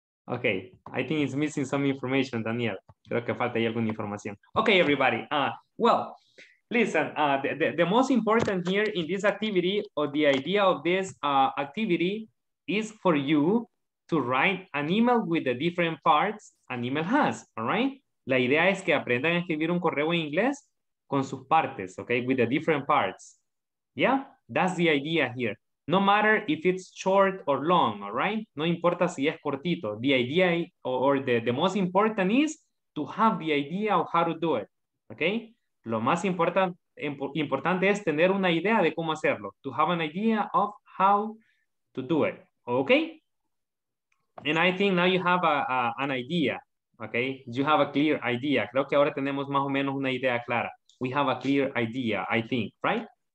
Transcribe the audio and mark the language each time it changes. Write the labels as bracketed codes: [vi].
[en] Okay, I think it's missing some information, Daniel. [es] Creo que falta ahí alguna información. [en] Okay, everybody. Well, listen, the most important here in this activity or the idea of this activity is for you to write an email with the different parts an email has, all right? [es] La idea es que aprendan a escribir un correo en inglés con sus partes, okay? [en] With the different parts. Yeah, that's the idea here. No matter if it's short or long, all right? [es] No importa si es cortito. [en] The idea or the most important is to have the idea of how to do it, okay? [es] Lo más importante es tener una idea de cómo hacerlo. [en] To have an idea of how to do it, okay? And I think now you have an idea, okay? You have a clear idea. [es] Creo que ahora tenemos más o menos una idea clara. [en] We have a clear idea, I think, right?